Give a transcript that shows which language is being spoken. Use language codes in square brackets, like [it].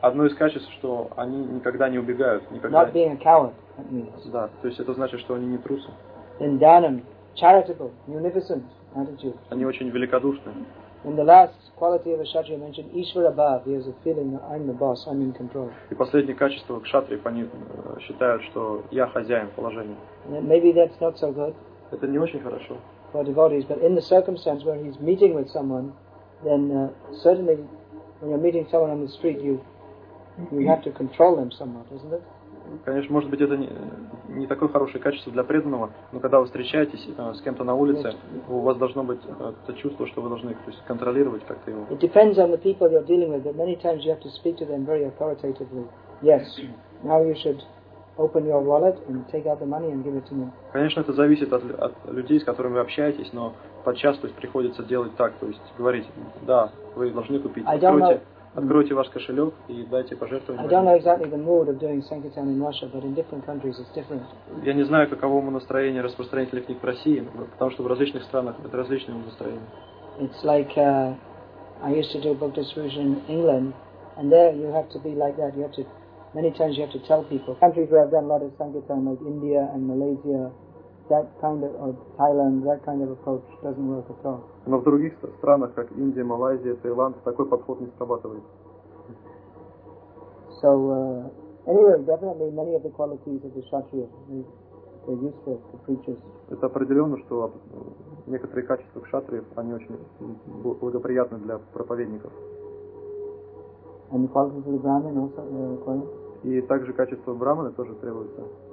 [ru] Одно из качеств, что они никогда не убегают, никогда. [en] Not being a coward. That means. [ru] Да, то есть это значит, что они не трусы. [en] In danam. Charitable, munificent attitude. [ru] Они очень великодушны. [en] In the last quality of a kshatriya mentioned, Ishvara Bhav, he has a feeling that I'm the boss, I'm in control. [ru] И последнее качество кшатрии, они считают, что я хозяин положения. [en] Maybe that's not so good. [ru] Это не очень хорошо. [en] For devotees, but in the circumstance where he's meeting with someone, then certainly when you're meeting someone on the street, you have to control them somewhat, isn't it? [ru] Конечно, может быть, это не такое хорошее качество для преданного, но когда вы встречаетесь с кем-то на улице, у вас должно быть это чувство, что вы должны контролировать как-то его. [en] It depends on the people you're dealing with, but many times you have to speak to them very authoritatively. Yes, now you should open your wallet and take out the money and give it to me. [ru] Конечно, это зависит от людей, с которыми вы общаетесь, но подчас, то есть, приходится делать так, то есть говорить, да, вы должны купить, откройте. Откройте ваш кошелек и дайте пожертвование. [en] I don't know exactly the mood of doing sankirtan in Russia, but in different countries it's different. [ru] Я не знаю, каково настроение распространителей книг в России, потому что в различных странах это различное настроение. [en] It's like I used to do book distribution in England, and there you have to be like that. You have to many times you have to tell people. Countries where I've done a lot of sankirtan, like India and Malaysia, that kind of or Thailand, that kind of approach doesn't work at all. [ru] Но в других странах, как Индия, Малайзия, Таиланд, такой подход не срабатывает. [en] So, anyway, definitely many of the qualities of the kshatriya are useful to preachers. [ru] Это определенно, что некоторые качества кшатриев, они очень благоприятны для проповедников. [en] And the qualities of the brahmin also require? [ru] И также качество брахмана тоже требуется.